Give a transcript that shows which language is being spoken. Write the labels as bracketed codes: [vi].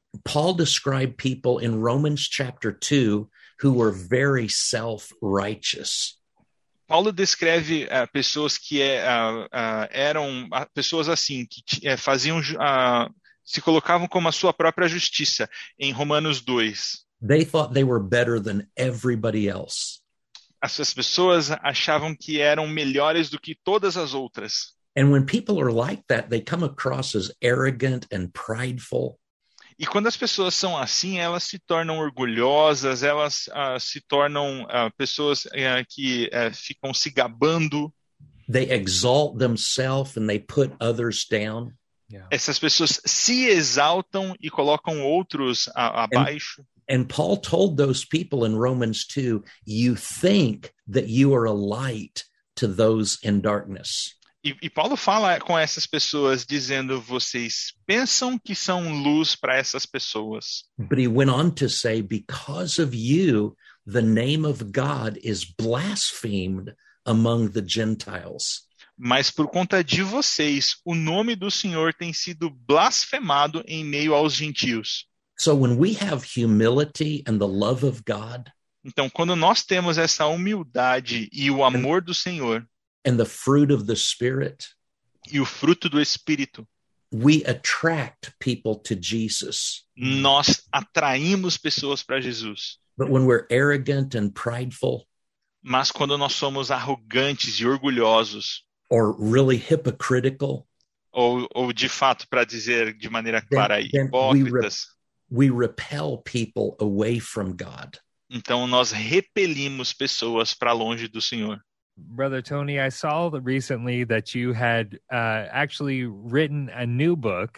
[en] Paul described people in Romans chapter 2 who were very self-righteous. [pt] Paulo descreve pessoas que eram pessoas assim, que faziam se colocavam como a sua própria justiça em Romanos 2. [en] They thought they were better than everybody else. [pt] As pessoas achavam que eram melhores do que todas as outras. [en] And when people are like that, they come across as arrogant and prideful. [pt] E quando as pessoas são assim, elas se tornam orgulhosas, elas se tornam pessoas que ficam se gabando. [en] They exalt themselves and they put others down. Yeah. [pt] Essas pessoas se exaltam e colocam outros abaixo. [en] And Paul told those people in Romans 2, you think that you are a light to those in darkness. [pt] E Paulo fala com essas pessoas, dizendo, vocês pensam que são luz para essas pessoas. [en] But he went on to say, because of you, the name of God is blasphemed among the Gentiles. [pt] Mas por conta de vocês, o nome do Senhor tem sido blasfemado em meio aos gentios. [en] So when we have humility and the love of God, [pt] então quando nós temos essa humildade e o amor do Senhor, [en] and the fruit of the Spirit, [pt] e o fruto do Espírito, [en] we attract people to Jesus. [pt] Nós atraímos pessoas para Jesus. [en] But when we're arrogant and prideful, [pt] mas quando nós somos arrogantes e orgulhosos, [en] or really hypocritical, [pt] ou de fato, para dizer de maneira clara, hipócritas, [en] we repel people away from God. [pt] Então nós repelimos pessoas para longe do Senhor. [en] Brother Tony, I saw recently that you had actually written a new book.